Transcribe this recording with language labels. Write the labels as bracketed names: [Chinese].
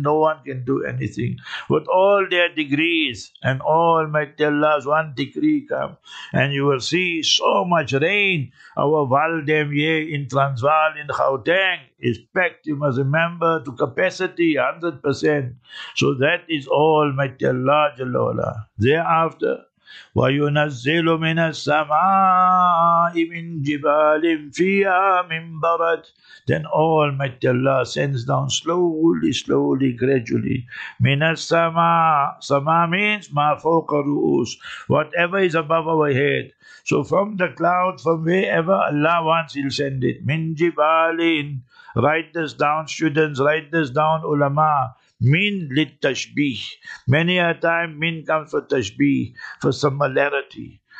[English] No one can do anything. With all their degrees and Almighty Allah's one decree come and you will see so much rain. Our Valdemier in Transvaal, in Gauteng, is packed, you must remember, to capacity 100%. So that is all, Mighty Allah Jalla Wala. Thereafter, [Arabic] وَيُنَزِّلُ مِنَ السَّمَاءِ مِنْ جِبَالٍ فِيهَا مِنْ بَرَدٍ. [English] Then all Mighty Allah sends down slowly, slowly, gradually. [Arabic] مِنَ السَّمَاءِ. [English] Sama means [Arabic] مَا فَوْقَ رُؤُوس. [English] Whatever is above our head. So from the cloud, from wherever Allah wants, He'll send it. [Arabic] مِنْ جِبَالٍ. [English] Write this down, students. Write this down, ulama. [Arabic] Min lit tashbih. [English] Many a time min comes for tashbih, for similarity.